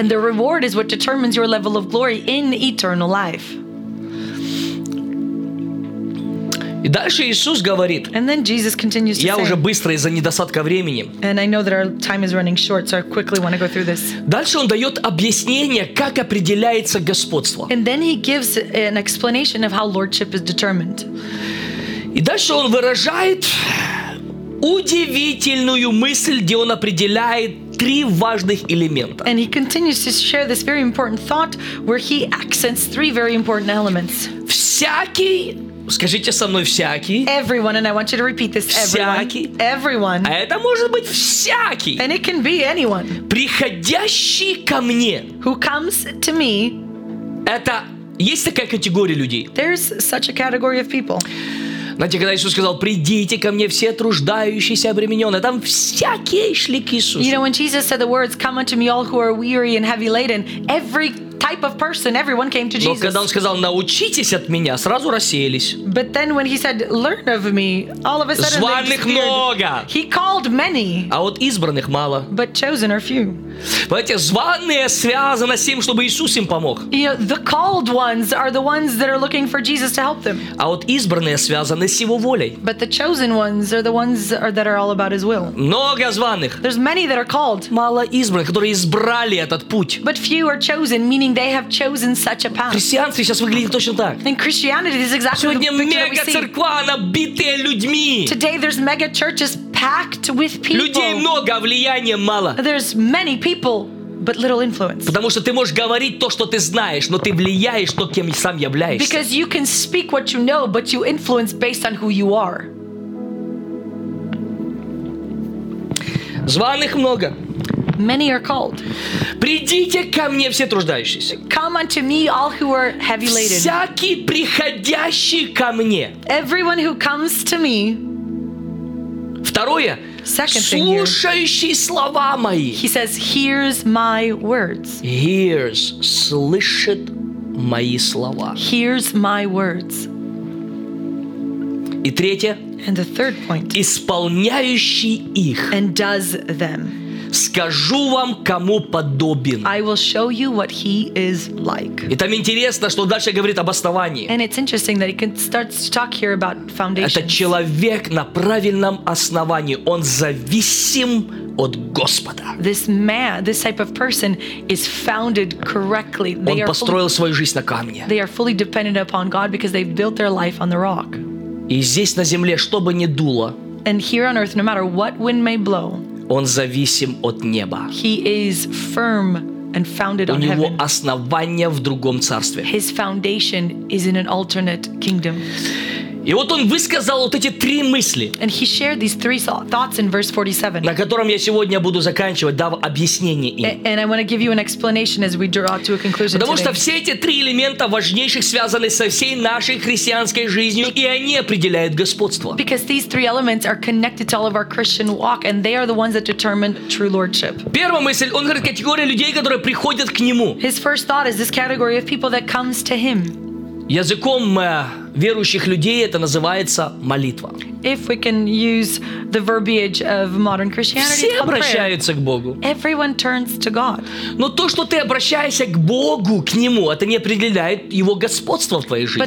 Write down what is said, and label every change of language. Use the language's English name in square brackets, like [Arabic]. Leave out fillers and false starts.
[English] And the reward is what determines your level of glory in eternal life. [Russian] И дальше Иисус говорит, [English] and then Jesus continues to [Russian] я уже быстро из-за недостатка времени. [English] And I know that our time is running short, so I quickly want to go through this. [Russian] Дальше Он дает объяснение, как определяется господство. [English] And then He gives an explanation of how lordship is determined. [Russian] И дальше Он выражает удивительную мысль, где Он определяет три важных элемента. [English] And He continues to share this very important thought, where He accents three very important elements. [Russian] Всякий. Скажите со мной всякий. [English] Everyone, and I want you to repeat this. Everyone. [Russian] Всякий. [English] Everyone. [Russian] А это может быть всякий. [English] And it can be anyone. [Russian] Приходящий ко мне. [English] Who comes to me? [Russian] Это есть такая категория людей. [English] There's such a category of people. [Russian] Знаете, когда Иисус сказал, придите ко мне все труждающиеся обремененные, там всякие шли к Иисусу. [English] You know, when Jesus said the words, come unto me all who are weary and heavy laden, every type of person, everyone came to Jesus. [Russian] Но когда Он сказал, научитесь от меня, сразу рассеялись. [English] But then when He said, learn of me, all of a sudden [Russian] званых много. [English] He called many. [Russian] А вот избранных мало. [English] But chosen are few. [Russian] Понимаете, званые связаны с тем, чтобы Иисус им помог. [English] You know, the called ones are the ones that are looking for Jesus to help them. [Russian] А вот избранные связаны с Его волей. [English] But the chosen ones are the ones that are all about His will. [Russian] Много званых. [English] There's many that are called. [Russian] Мало избранных, которые избрали этот путь. [English] But few are chosen, meaning they have chosen such a path. [Russian] В христианстве сейчас выглядит точно так. [English] In Christianity, this is exactly [Russian] сегодня [English] the picture that we see. [Russian] Церква, набитая людьми. [English] Today, there's mega churches packed with people. [Russian] Людей много, а влияния мало. [English] There's many people. but little influence. [Russian] Потому что ты можешь говорить то, что ты знаешь, но ты влияешь то, кем сам являешься. [English] Because you can speak what you know, but you influence based on who you are. [Russian] Званых много. [English] Many are called. [Russian] Придите ко мне все труждающиеся. [English] Come unto me, all who are heavy laden. [Russian] Всякий приходящий ко мне. [English] Everyone who comes to me. [Russian] Второе. [English] Second thing. [Russian] Слушающий слова мои. [English] He says, hears my words. Hears, [Russian] слышит мои слова. [English] Hears my words. [Russian] И третье. [English] And the third point. [Russian] Исполняющий их. [English] And does them. [Russian] Скажу вам, кому подобен. [English] I will show you what he is like. [Russian] И там интересно, что дальше говорит об основании. [English] And it's interesting that he starts to talk here about foundations. [Russian] Это человек на правильном основании. Он зависим от Господа. [English] This man, this type of person is founded correctly. [Russian] Он построил свою жизнь на камне. [English] They are fully dependent upon God because they built their life on the rock. [Russian] И здесь на земле, что бы ни дуло. [English] And here on earth, no matter what wind may blow. [Russian] Он зависим от неба. [English] He is firm and founded on heaven. [Russian] У него основание в другом царстве. [English] His foundation is in an alternate kingdom. [Russian] И вот он высказал вот эти три мысли. [English] And he shared these three thoughts in verse 47. [Russian] На котором я сегодня буду заканчивать, дав объяснение им. [English] And I want to give you an explanation as we draw to a conclusion. [Russian] Потому что все эти три элемента важнейших связаны со всей нашей христианской жизнью, и они определяют господство. [English] Because these three elements are connected to all of our Christian walk, and they are the ones that determine true lordship. [Russian] Первая мысль, он говорит, категория людей, которые приходят к нему. [English] His first thought is this category of people that comes to him. [Russian] Языком верующих людей это называется молитва. [English] If we can use the verbiage of modern Christianity, [Russian] все обращаются к Богу. [English] Everyone turns to God. [Russian] Но то, что ты обращаешься к Богу, к Нему, это не определяет Его господство в твоей жизни.